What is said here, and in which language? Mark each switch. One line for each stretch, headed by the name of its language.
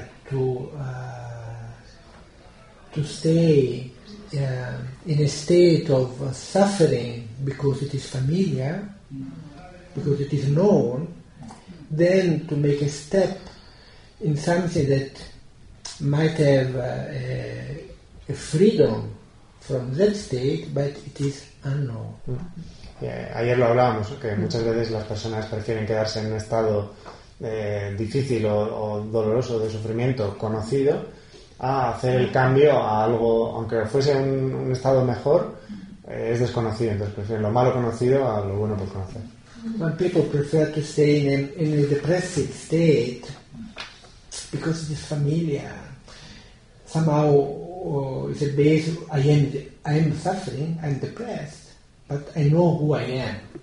English: to stay in a state of suffering because it is familiar, because it is known, then to make a step in something that might have a freedom from that state, but it is unknown.
Spanish: Ayer lo hablábamos, que muchas veces las personas prefieren quedarse en un estado difícil o doloroso de sufrimiento conocido a hacer el cambio a algo, aunque fuese un estado mejor, es desconocido. Entonces prefieren lo malo conocido a lo bueno por conocer.
English: When people prefer to stay in a depressive state because it is familiar, somehow it's a base. I am suffering, I'm depressed, but I know who I am.